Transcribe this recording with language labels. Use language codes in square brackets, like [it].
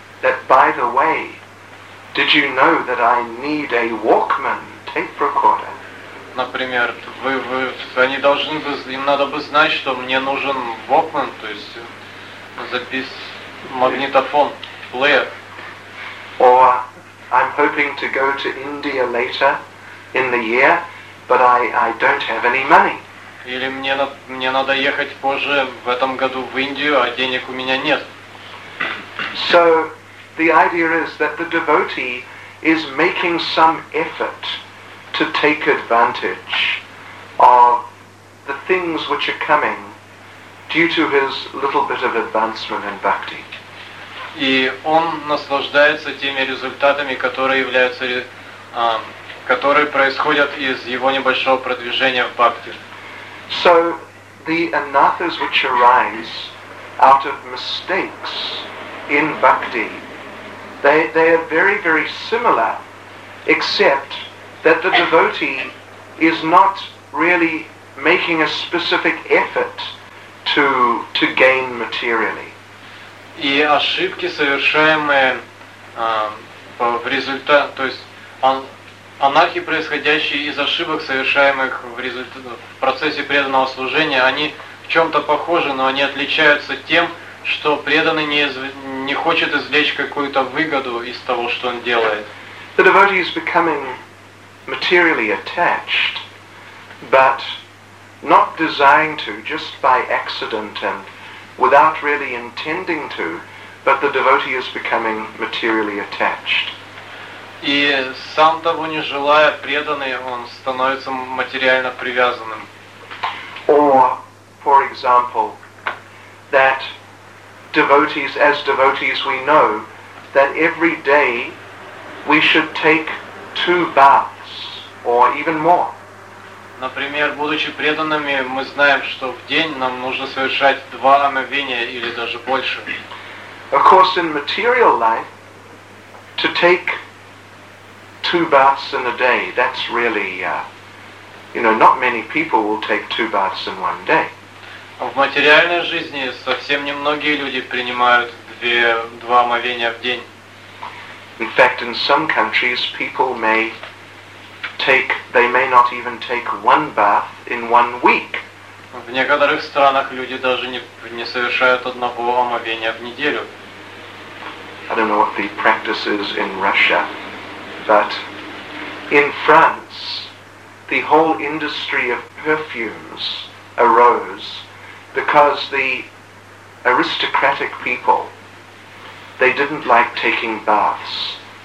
[en] That, by the way, did you know that I need a walkman to take for a quarter. [ru] Например, вы они должны бы, им надо бы знать, что мне нужен Walkman, то есть запис магнитофон, плеер. [en] Or I'm hoping to go to India later in the year, but I don't have any money. [ru] Или мне надо ехать позже в этом году в Индию, а денег у меня нет. [en] So the idea is that the devotee is making some effort to take advantage of the things which are coming due to his little bit of advancement in bhakti. [ru] И он наслаждается теми результатами, которые являются, которые происходят из его небольшого продвижения в бхакти. [en] So the anathas which arise out of mistakes in bhakti, they are very, very similar, except that the devotee is not really making a specific effort to gain materially. [ru] И ошибки, совершаемые в результате, то есть анархи, происходящие из ошибок, совершаемых в процессе преданного служения, они в чем-то похожи, но они отличаются тем, что преданный не хочет извлечь какую-то выгоду из того, что он делает. [en] The devotee is becoming materially attached, but not designed to, just by accident and without really intending to, but the devotee is becoming materially attached. [ru] И сам того не желая, преданный, он становится материально привязанным. [en] Or, for example, that devotees, as devotees, we know that every day we should take two baths or even more. [ru] Например, будучи преданными, мы знаем, что в день нам нужно совершать два омовения или даже больше. [en] Of course, in material life, to take two baths in a day, that's really, you know, not many people will take two baths in one day. [ru] В материальной жизни совсем немногие люди принимают два омовения в день. [en] In fact, in some countries people may not even take one bath in one week. [ru] В некоторых странах люди даже не совершают одного омовения в неделю. [en] I don't know what the practice is in Russia, but in France the whole industry of perfumes arose because the aristocratic people, they didn't like taking baths.